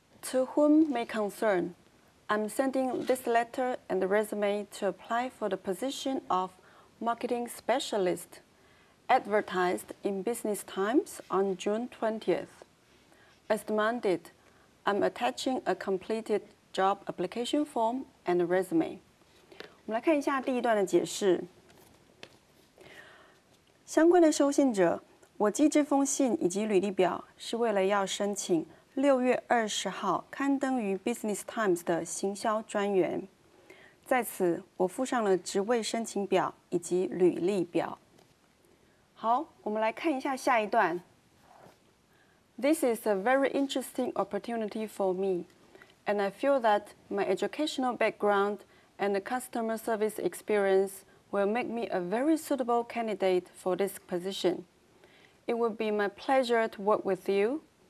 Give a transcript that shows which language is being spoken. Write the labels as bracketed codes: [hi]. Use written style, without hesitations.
[en] To whom may concern, I'm sending this letter and the resume to apply for the position of marketing specialist. Advertised in Business Times on June 20th. As demanded, I'm attaching a completed job application form and a resume. [zh] 我们来看一下第一段的解释。相关的收信者，我寄这封信以及履历表是为了要申请6月20号刊登于 Business Times 的行销专员。在此，我附上了职位申请表以及履历表。好，我们来看一下下一段。 [en] This is a very interesting opportunity for me, and I feel that my educational background and the customer service experience will make me a very suitable candidate for this position. It would be my pleasure to work with you.